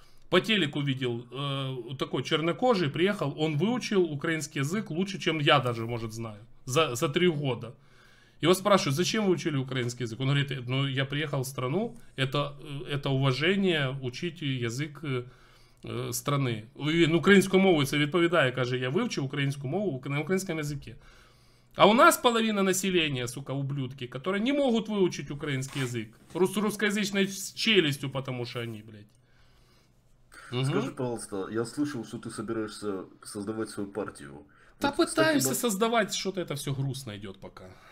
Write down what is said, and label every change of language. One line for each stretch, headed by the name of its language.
Russian: по телеку видел, такой чернокожий приехал, он выучил украинский язык лучше, чем я даже, может, знаю, за 3 года. Его спрашивают, зачем вы учили украинский язык? Он говорит, ну, я приехал в страну, это уважение учить язык страны.
Ukrainian: Він українською мовою це відповідає, каже, я вивчив українську мову на українському язикі.
Russian: А у нас половина населения, сука, ублюдки, которые не могут выучить украинский язык. Русскоязычной челюстью, потому что они, блядь. Скажи, пожалуйста, я слышал, что ты собираешься создавать свою партию. Да Вот с таким пытаюсь создавать что-то, это все грустно идет пока.